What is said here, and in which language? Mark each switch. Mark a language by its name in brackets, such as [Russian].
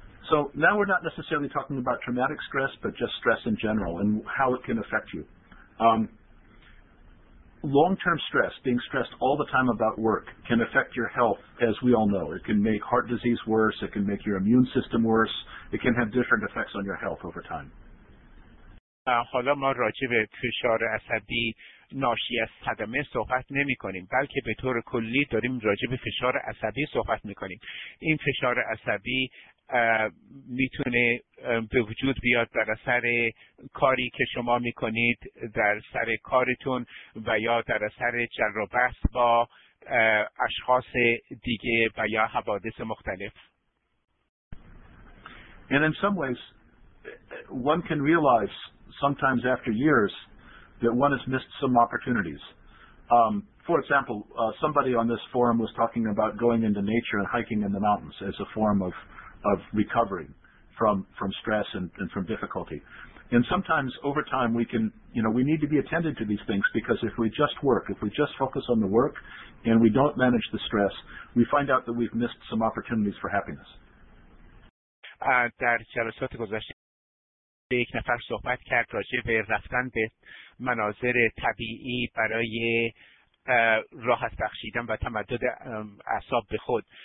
[English] So now we're not necessarily talking about traumatic stress, but just stress in general and how it can affect you. Long-term stress, being stressed all the time about work, can affect your health, as we all know. It can make heart disease worse. It can make your immune system worse. It can have different effects on your health over time. [Persian] حالا ما راجع به فشار عصبی ناشی از صدمه صحبت نمی کنیم، بلکه به طور کلی داریم راجع به فشار عصبی صحبت می کنیم. این فشار عصبی میتونه به وجود بیاد در اثر کاری که شما میکنید در سر کارتون و یا در اثر جر و بحث با اشخاص دیگه و یا حوادث مختلف. [English] And in some ways one can realize sometimes after years that one has missed some opportunities. For example, somebody on this forum was talking about going into nature and hiking in the mountains as a form of recovering from stress and from difficulty. And sometimes over time we need to be attended to these things, because if we just work, if we just focus on the work and we don't manage the stress, we find out that we've missed some opportunities for happiness. [Persian] در جلسات گذشته یک نفر صحبت کرد راجع به رفتن به مناظر طبیعی برای راحت بخشیدن و تمدد اعصاب به خود.